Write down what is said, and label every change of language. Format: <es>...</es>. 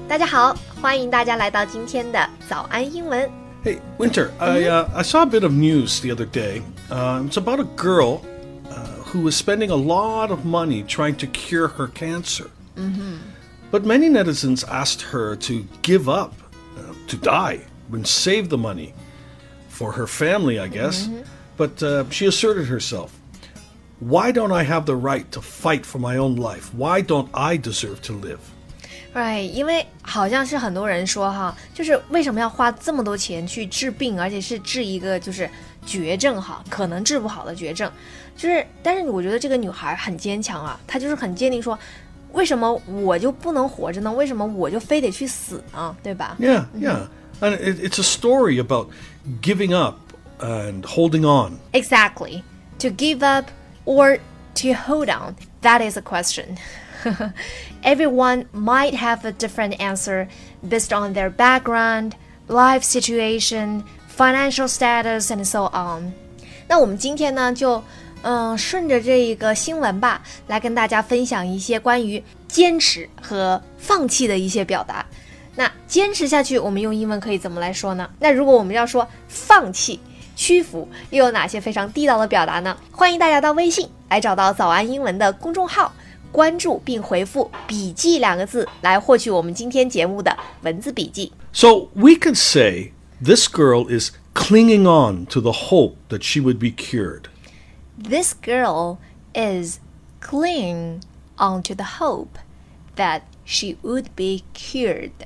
<zh>大家好，欢迎大家来到今天的早安英文。</zh> <en>Hey, Winter, I saw a bit of news the other day. It's about a girl, who was spending a lot of money trying to cure her cancer. But many netizens asked her to give up, to die, and save the money for her family, I guess. But she asserted herself, why don't I have the right to fight for my own life? Why don't I deserve to live? Right,</en> <zh>因为好像是很多人说哈，就是为什么要花这么多钱去治病，而且是治一个就是绝症哈，可能治不好的绝症，就是但是我觉得这个女孩很坚强啊，她就是很坚定说，为什么我就不能活着呢？为什么我就非得去死呢？对吧</zh> <en>？Yeah, yeah, and it's a story about giving up and holding on. Exactly, to give up or to hold on, that is a question. Everyone might have a different answer based on their background, life situation, financial status, and so on.</en> <zh>那我们今天呢就顺着这一个新闻吧，来跟大家分享一些关于坚持和放弃的一些表达。那坚持下去我们用英文可以怎么来说呢？那如果我们要说放弃屈服又有哪些非常地道的表达呢？欢迎大家到微信来找到早安英文的公众号，关注并回复笔记两个字来获取我们今天节目的文字笔记。</zh> <en>So we could say this girl is clinging on to the hope that she would be cured. This girl is clinging on to the hope that she would be cured.</en>